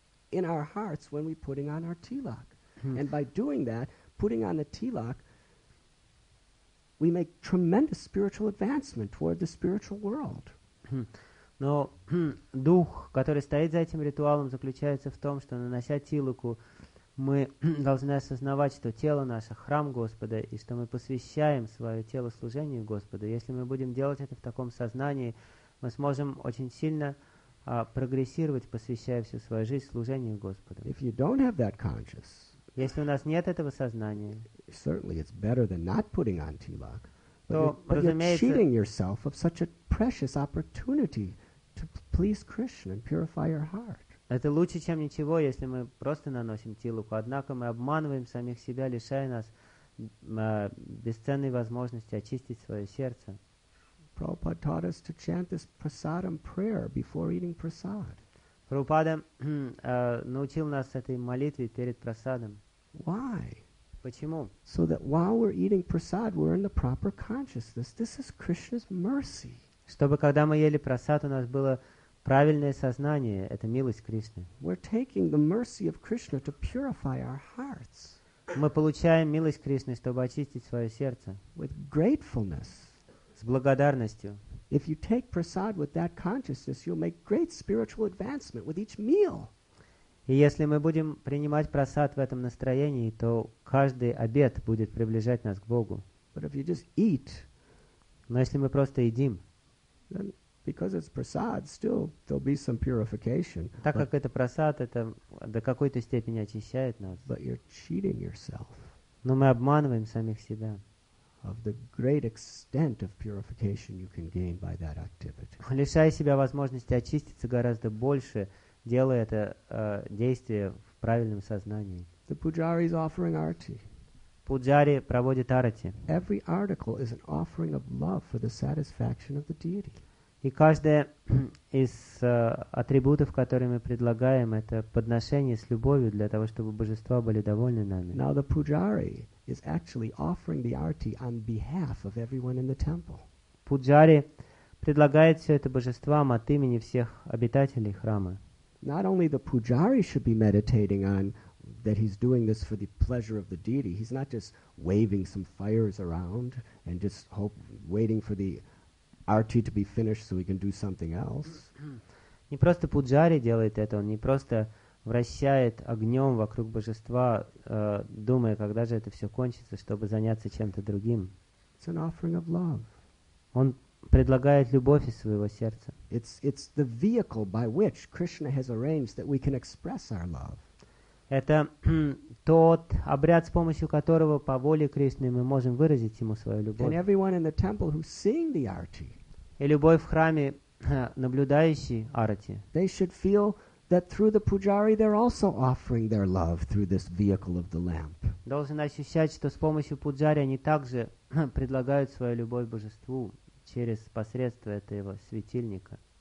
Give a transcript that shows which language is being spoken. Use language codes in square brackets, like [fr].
[en] in our hearts when we're putting on our tilak. And by doing that, putting on the tilak, we make tremendous spiritual advancement toward the spiritual world. [ru] Но дух, который стоит за этим ритуалом, заключается в том, что нанося тилаку, мы должны осознавать, что тело наше – храм Господа, и что мы посвящаем свое тело служению Господу. Если мы будем делать это в таком сознании, мы сможем очень сильно прогрессировать, посвящая всю свою жизнь служению Господу. [en] If you don't have that conscious, [ru] если у нас нет этого сознания, [en] certainly it's better than not putting on tilak. But you're cheating yourself of such a precious opportunity to please Krishna and purify your heart. [ru] Это лучше, чем ничего, если мы просто наносим тилуку. Однако мы обманываем самих себя, лишая нас бесценной возможности очистить свое сердце. [en] Prabhupada taught us to chant this prasadam prayer before eating prasad. [ru] Prabhupada научил нас этой молитве перед прасадом. [en] Why? [ru] Почему? [en] So that while we're eating prasad, we're in the proper consciousness. This is Krishna's mercy. [ru] Чтобы когда мы ели прасад, у нас было правильное сознание. Это милость Кришны. [en] We're taking the mercy of Krishna to purify our hearts. [ru] Мы получаем милость Кришны, чтобы очистить свое сердце. [en] With gratefulness. [ru] С благодарностью. [en] If you take prasad with that consciousness, you'll make great spiritual advancement with each meal. [ru] И если мы будем принимать прасад в этом настроении, то каждый обед будет приближать нас к Богу. [en] But if you just eat, [ru] но если мы просто едим, [en] then because it's prasad, still there'll be some purification. [ru] Так как это прасад, это до какой-то степени очищает нас. [en] But you're cheating yourself. [ru] Но мы обманываем самих себя. [en] Of the great extent of purification you can gain by that activity. [ru] Лишая себя возможности очиститься гораздо больше, делая это действие в правильном сознании. [en] The pujari is offering arati. [ru] Пуджари проводит арати. [en] Every article is an offering of love for the satisfaction of the deity. [ru] И каждая из атрибутов, которые мы предлагаем, это подношение с любовью для того, чтобы божества были довольны нами. [en] Now the pujari is actually offering the arati on behalf of everyone in the temple. [ru] Пуджари предлагает все это божествам от имени всех обитателей храма. [en] Not only the pujari should be meditating on that he's doing this for the pleasure of the deity. He's not just waving some fires around and just hope, waiting for the arti to be finished so he can do something else. [ru] Не просто пуджари делает это, он не просто вращает огнем вокруг божества, думая, когда же это все кончится, чтобы заняться чем-то другим. [en] It's an offering of love. [ru] Он предлагает любовь из своего сердца. [en] It's the vehicle by which Krishna has arranged that we can express our love. [ru] Это тот обряд, с помощью которого по воле Кришны мы можем выразить ему свою любовь. [en] And everyone in the temple who's seeing the arti. [ru] И любой в храме наблюдающий арти. [en] They should feel that through the pujari they're also offering their love through this vehicle of the lamp. [ru] Должны ощущать, что с помощью пуджари они также предлагают свою любовь божеству через посредство этого светильника.